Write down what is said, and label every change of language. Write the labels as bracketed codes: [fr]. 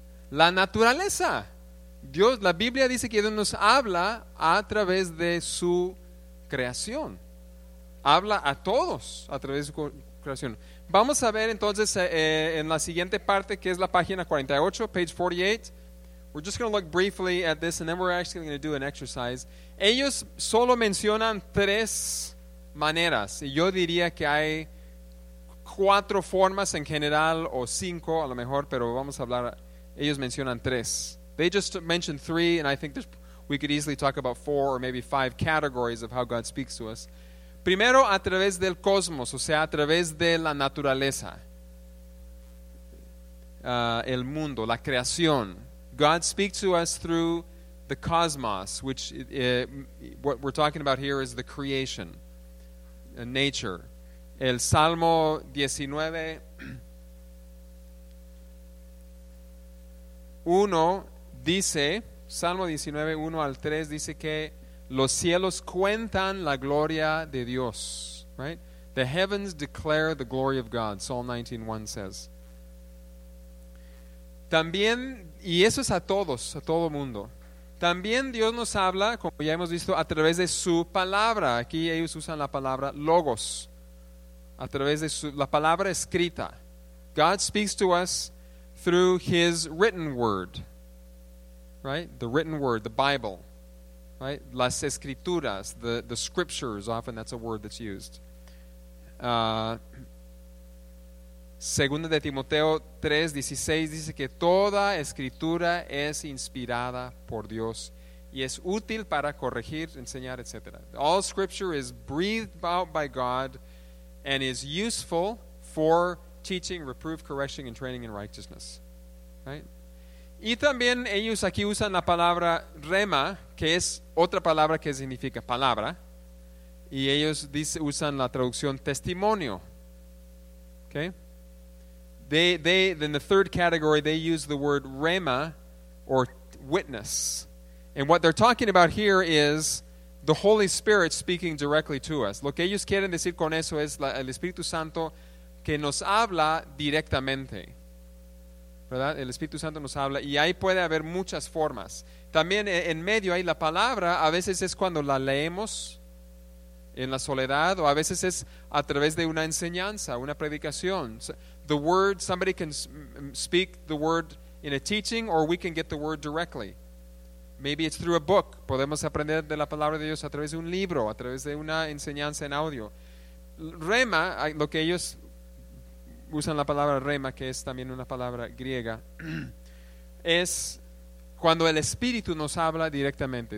[es] La naturaleza. Dios, la Biblia dice que Dios nos habla a través de su creación. Habla a todos a través de su creación. Vamos a ver entonces en la siguiente parte, que es la página 48, [en] page 48. We're just going to look briefly at this, and then we're actually going to do an exercise. [es] Ellos solo mencionan tres maneras, y yo diría que hay cuatro formas en general, o cinco a lo mejor, pero vamos a hablar, ellos mencionan tres. [en] They just mentioned three, and I think we could easily talk about four or maybe five categories of how God speaks to us. [es] Primero, a través del cosmos, o sea, a través de la naturaleza. El mundo, la creación. [en] God speaks to us through the cosmos, which what we're talking about here is the creation, nature. [es] El Salmo 19, 1 dice, Salmo 19, 1 al 3 dice que los cielos cuentan la gloria de Dios, right? [en] The heavens declare the glory of God, Psalm 19, 1 says. [es] También, y eso es a todos, a todo mundo. También Dios nos habla, como ya hemos visto, a través de su palabra. Aquí ellos usan la palabra logos. A través de la palabra escrita. [en] God speaks to us through his written word. Right? The written word, the Bible. Right? [es] Las escrituras, [en] the scriptures. Often that's a word that's used. [es] Segunda de Timoteo 3:16 dice que toda escritura es inspirada por Dios y es útil para corregir, enseñar, etc. [en] All scripture is breathed out by God and is useful for teaching, reproof, correction, and training in righteousness. Right? [es] Y también ellos aquí usan la palabra rema, que es otra palabra que significa palabra, y ellos usan la traducción testimonio. [en] Okay? They then the third category, they use the word rhema, or witness. And what they're talking about here is the Holy Spirit speaking directly to us. [es] Lo que ellos quieren decir con eso es el Espíritu Santo que nos habla directamente. ¿Verdad? El Espíritu Santo nos habla. Y ahí puede haber muchas formas. También en medio hay la palabra, a veces es cuando la leemos en la soledad, o a veces es a través de una enseñanza, una predicación. [en] The word, somebody can speak the word in a teaching, or we can get the word directly. Maybe it's through a book. [es] Podemos aprender de la palabra de Dios a través de un libro, a través de una enseñanza en audio. Rema, lo que ellos usan la palabra rema, que es también una palabra griega, es cuando el Espíritu nos habla directamente.